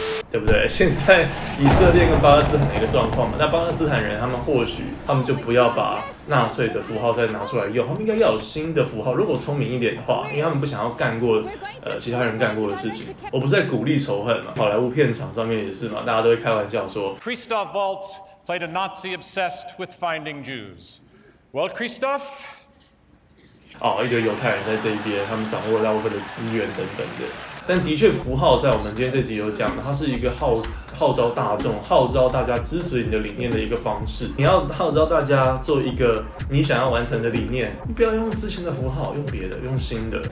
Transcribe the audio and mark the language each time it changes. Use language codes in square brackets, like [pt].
[zh] 对不对？现在以色列跟巴勒斯坦的一个状况嘛，那巴勒斯坦人他们或许他们就不要把纳粹的符号再拿出来用，他们应该要有新的符号。如果聪明一点的话，因为他们不想要干过其他人干过的事情。我不是在鼓励仇恨嘛，好莱坞片场上面也是嘛，大家都会开玩笑说 [en] ，Christoph Waltz played a Nazi obsessed with finding Jews. Well, Christoph. [zh] 哦，一堆犹太人在这一边，他们掌握了大部分的资源等等的。但的确，符号在我们今天这集有讲，它是一个号召大众、号召大家支持你的理念的一个方式。你要号召大家做一个你想要完成的理念，你不要用之前的符号，用别的，用新的。